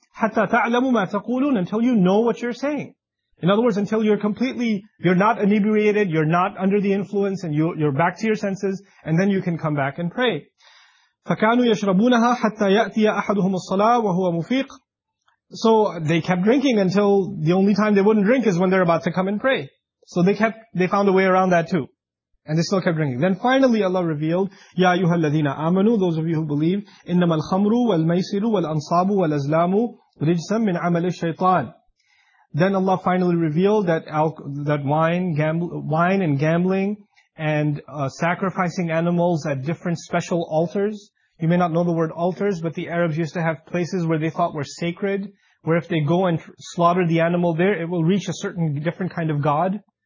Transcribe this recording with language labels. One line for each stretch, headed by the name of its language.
Arabic: حَتَّى تَعْلَمُ مَا تَقُولُونَ,
English: until you know what you're saying. In other words, until you're completely, you're not inebriated, you're not under the influence, and you're back to your senses, and then you can come back and pray.
Arabic: فَكَانُوا يَشْرَبُونَهَا حَتَّى يَأْتِيَ أَحَدُهُمُ الصَّلَاةَ وَهُوَ مُفِيقٌ.
English: So they kept drinking until the only time they wouldn't drink is when they're about to come and pray. So they found a way around that too. And they still kept drinking. Then finally Allah revealed,
Arabic: يَا أَيُّهَا الَّذِينَ آمَنُوا,
English: those of you who believe,
Arabic: إِنَّمَا الْخَمْرُ وَالْمَيْسِرُ وَالْأَنصَابُ وَالْأَزْلَامُ رِجْسًا مِّنْ عَمَلِ الشَّيْطَانِ.
English: Then Allah finally revealed that wine and gambling and sacrificing animals at different special altars. You may not know the word altars, but the Arabs used to have places where they thought were sacred, where if they go and slaughter the animal there, it will reach a certain different kind of god.